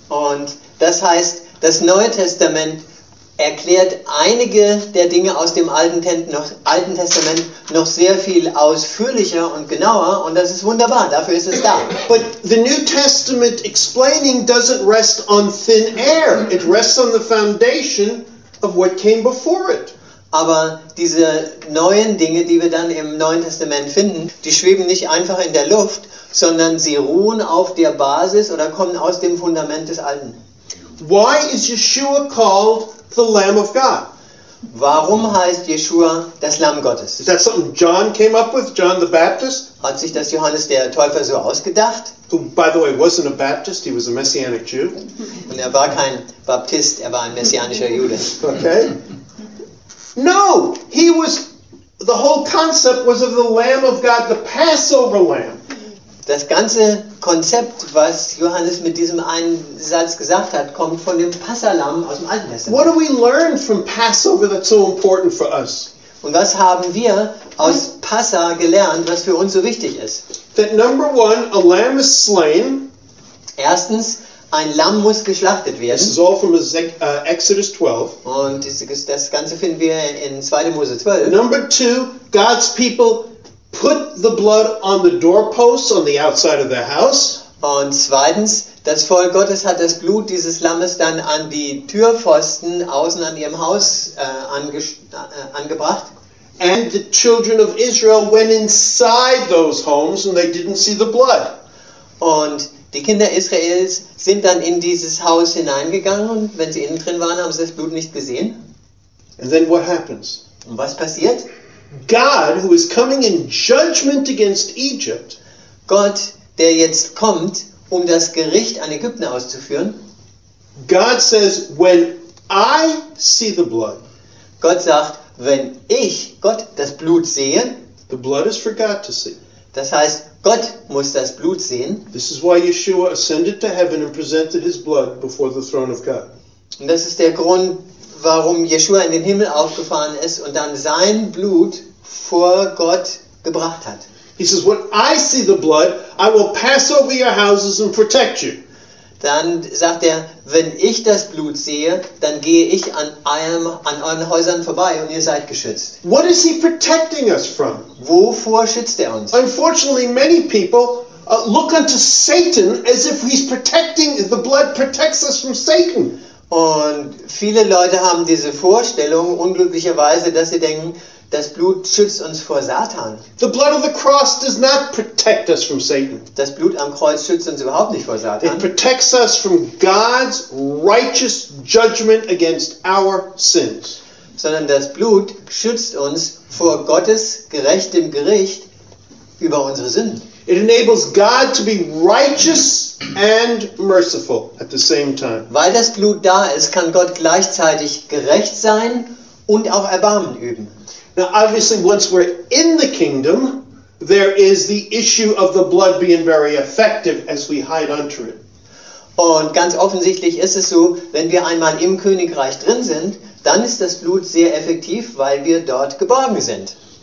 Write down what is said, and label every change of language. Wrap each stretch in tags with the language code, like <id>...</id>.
<de>Und das heißt, das Neue Testament erklärt einige der Dinge aus dem Alten Testament noch sehr viel ausführlicher und genauer, und das ist wunderbar, dafür ist es da.</de> <en>But the New Testament explaining doesn't rest on thin air, it rests on the foundation of what came before it.</en> <de>Aber diese neuen Dinge, die wir dann im Neuen Testament finden, die schweben nicht einfach in der Luft, sondern sie ruhen auf der Basis oder kommen aus dem Fundament des Alten.</de> <en>Why is Yeshua called the Lamb of God?</en> <de>Warum heißt Yeshua das Lamm Gottes?</de> <en>Is that something John came up with, John the Baptist?</en> <de>Hat sich das Johannes der Täufer so ausgedacht?</de> <en>Who, by the way, wasn't a Baptist, he was a Messianic Jew.</en> <de>Und er war kein Baptist, er war ein messianischer Jude.</de> <en>Okay. No, he was, the whole concept was of the Lamb of God, the Passover Lamb.</en> <de>Das ganze Konzept, was Johannes mit diesem einen Satz gesagt hat, kommt von dem Passalamm aus dem Alten Testament.</de> <en>What do we learn from Passover that's so important for us?</en> <de>Und was haben wir aus Passa gelernt, was für uns so wichtig ist?</de> <en>That number one, a lamb is slain.</en> <de>Erstens, ein Lamm muss geschlachtet werden.</de> <en>This is all from Exodus 12.</en> <de>Und das Ganze finden wir in 2. Mose 12.</de> <en>Number two, God's people put the blood on the doorposts on the outside of the house.</en> <de>Und zweitens, das Volk Gottes hat das Blut dieses Lammes dann an die Türpfosten außen an ihrem Haus angebracht.</de> <en>And the children of Israel went inside those homes and they didn't see the blood.</en> <de>Und die Kinder Israels sind dann in dieses Haus hineingegangen und wenn sie innen drin waren, haben sie das Blut nicht gesehen.</de> <en>And then what happens?</en> <de>Und was passiert?</de> <en>God, who is coming in judgment against Egypt,</en> <de>Gott, der jetzt kommt, um das Gericht an Ägypten auszuführen,</de> <en>God says, when I see the blood,</en> <de>Gott sagt, wenn ich, Gott, das Blut sehe,</de> <en>the blood is for God to see.</en> <de>Das heißt, Gott muss das Blut sehen.</de> <en>This is why Yeshua ascended to heaven and presented his blood before the throne of God.</en> <de>Und das ist der Grund, warum Yeshua in den Himmel aufgefahren ist und dann sein Blut vor Gott gebracht hat.</de> <en>He says, when I see the blood, I will pass over your houses and protect you.</en> <de>Dann sagt er, wenn ich das Blut sehe, dann gehe ich an eurem, an euren Häusern vorbei und ihr seid geschützt.</de> <en>What is he protecting us from?</en> <de>Wovor schützt er uns?</de> <en>Unfortunately, many people look unto Satan as if he's protecting, the blood protects us from Satan.</en> <de>Und viele Leute haben diese Vorstellung, unglücklicherweise, dass sie denken, das Blut schützt uns vor Satan.</de> <en>The blood of the cross does not protect us from Satan.</en> <de>Das Blut am Kreuz schützt uns überhaupt nicht vor Satan.</de> <en>It protects us from God's righteous judgment against our sins.</en> <de>Sondern das Blut schützt uns vor Gottes gerechtem Gericht über unsere Sünden.</de> <en>It enables God to be righteous and merciful at the same time.</en> <de>Weil das Blut da ist, kann Gott gleichzeitig gerecht sein und auch Erbarmen üben.</de> <en>Now, obviously, once we're in the kingdom, there is the issue of the blood being very effective as we hide under it.</en> <de>Und ganz offensichtlich ist es so, wenn wir einmal im Königreich drin sind, dann ist das Blut sehr effektiv, weil wir dort geborgen sind.</de>